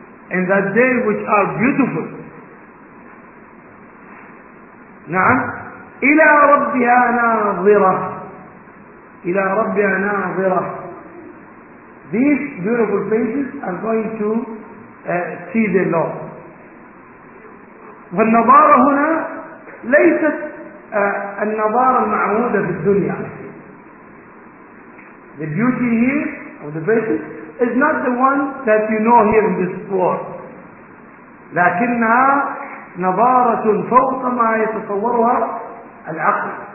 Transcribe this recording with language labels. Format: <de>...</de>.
<en>in that day which are beautiful</en> <ar>نعم إلى ربها ناظرة إلى ربها ناظرة.</ar> <en>These beautiful faces are going to see their Lord.</en> <ar>والنظارة هنا ليست النظارة المعهودة في الدنيا.</ar> <en>The beauty here of the faces is not the one that you know here in this world.</en> <ar>لكنها نظارة فوق ما يتصورها العقل.</ar>